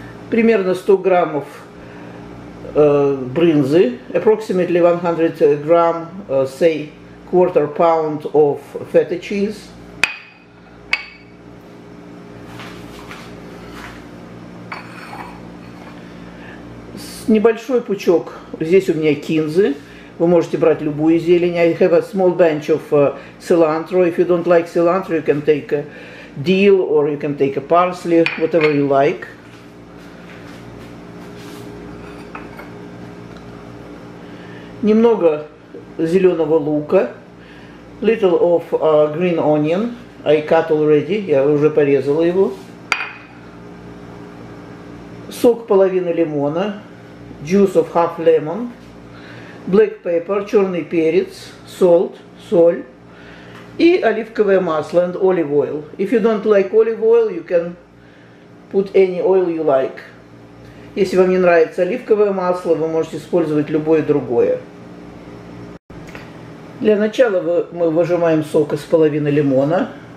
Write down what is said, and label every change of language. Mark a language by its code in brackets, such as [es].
[ru] Примерно 100 граммов брынзы, [en] approximately [ru] 100 грамм, [en] say, quarter pound of feta cheese. [ru] Небольшой пучок, здесь у меня кинзы, вы можете брать любую зелень. [en] I have a small bunch of cilantro, if you don't like cilantro, you can take a dill or you can take a parsley, whatever you like. [ru] Немного зеленого лука, [en] little of green onion, I cut already, [ru] я уже порезала его. Сок половины лимона, [en] juice of half lemon, black pepper, [ru] черный перец, salt, соль и оливковое масло [en] and olive oil. If you don't like olive oil, you can put any oil you like. [ru] Если вам не нравится оливковое масло, вы можете использовать любое другое. Для начала мы выжимаем сок из половины лимона.